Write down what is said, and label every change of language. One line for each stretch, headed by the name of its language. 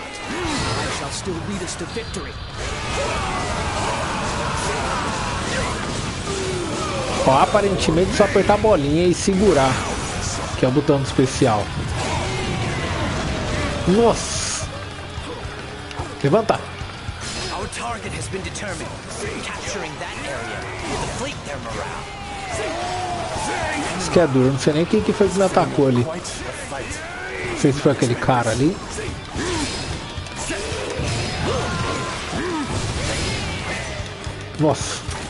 English: I shall still lead us to victory.
Portuguese: Ó, aparentemente só apertar a bolinha e segurar, que é o botão especial. Nossa! Levanta!
English: Our target has been determined. Capturing that area will deflate their morale.
Portuguese: Isso que é duro, não sei nem quem que foi que me atacou ali. Não sei se foi aquele cara ali. Nossa.